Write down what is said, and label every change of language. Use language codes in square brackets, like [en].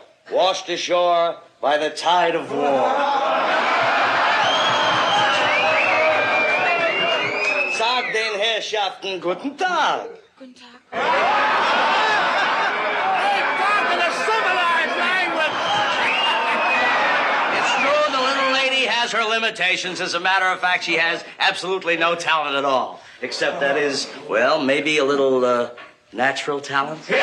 [en] Washed ashore by the tide of war. [de] Sag den Herrschaften guten Tag. Guten Tag. [en] Hey, talk in a civilized language. It's true, the little lady has her limitations. As a matter of fact, she has absolutely no talent at all. Except that is, well, maybe a little natural talent.